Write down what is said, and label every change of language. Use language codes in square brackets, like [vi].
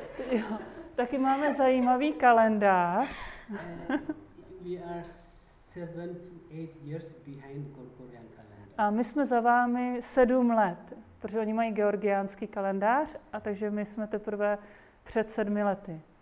[cs] Jo, taky máme zajímavý kalendář. [en] We are 7 to 8 years behind Gregorian calendar. [cs] A my jsme za vámi 7 let. Protože oni mají georgiánský kalendář, a takže my jsme teprve před 7 lety.